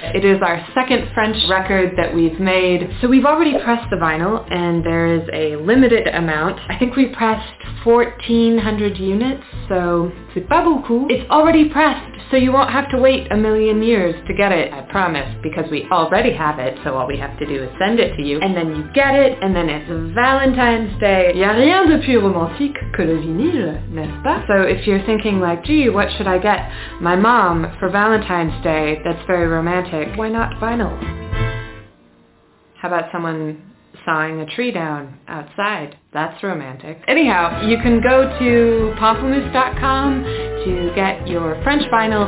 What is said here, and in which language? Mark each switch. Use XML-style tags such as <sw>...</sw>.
<en>It is our second French record that we've made. So we've already pressed the vinyl, and there is a limited amount. I think we pressed 1,400 units, so</en> <fr>c'est pas beaucoup.</fr> <en>It's already pressed, so you won't have to wait a million years to get it, I promise, because we already have it, so all we have to do is send it to you, and then you get it, and then it's Valentine's Day.</en> <fr>Y'a rien de plus romantique que le vinyle, n'est-ce pas?</fr> <en>So if you're thinking like, gee, what should I get my mom for Valentine's Day that's very romantic, why not vinyl? How about someone sawing a tree down outside? That's romantic. Anyhow, you can go to pamplemousse.com to get your French vinyl.</en>